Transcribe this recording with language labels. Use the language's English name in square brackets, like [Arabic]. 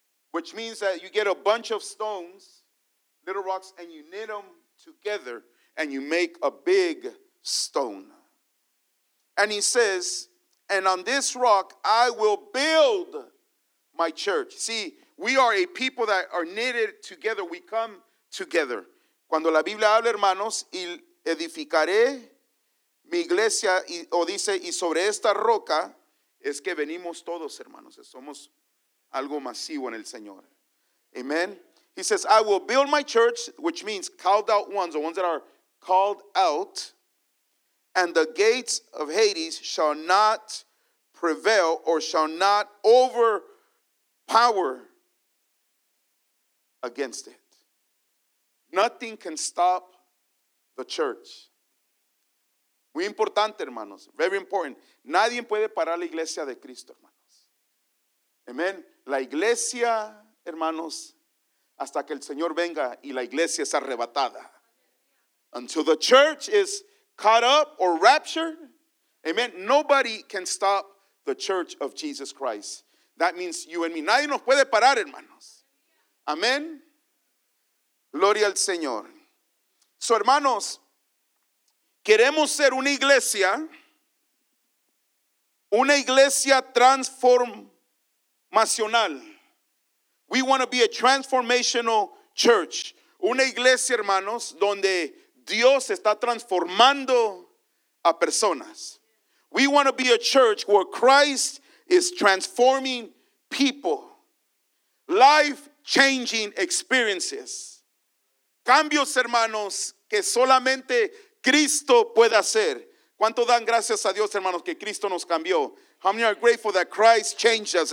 [English] Which means that you get a bunch of stones, little rocks, and you knit them together, and you make a big stone. And he says, and on this rock I will build my church. See, we are a people that are knitted together. We come together. [Spanish] Cuando la Biblia habla, hermanos, y edificaré mi iglesia, o dice, y sobre esta roca, es que venimos todos, hermanos. Somos algo masivo en el Señor. Amen. [English] He says, I will build my church, which means called out ones, the ones that are called out, and the gates of Hades shall not prevail or shall not overpower against it. Nothing can stop the church. [Spanish] Muy importante, hermanos. [English] Very important. [Spanish] Nadie puede parar la iglesia de Cristo, hermanos. Amén. La iglesia, hermanos, hasta que el Señor venga y la iglesia es arrebatada. [English] Until the church is caught up or raptured. Amén. Nobody can stop the church of Jesus Christ. That means you and me. [Spanish] Nadie nos puede parar, hermanos. Amén. Gloria al Señor. So, hermanos, queremos ser una iglesia transformacional. [English] We want to be a transformational church. [Spanish] Una iglesia, hermanos, donde Dios está transformando a personas. [English] We want to be a church where Christ is transforming people. Life-changing experiences. [Spanish] Cambios, hermanos, que solamente Cristo puede hacer. ¿Cuánto dan gracias a Dios, hermanos, que Cristo nos cambió? [English] How many are grateful that Christ changed us?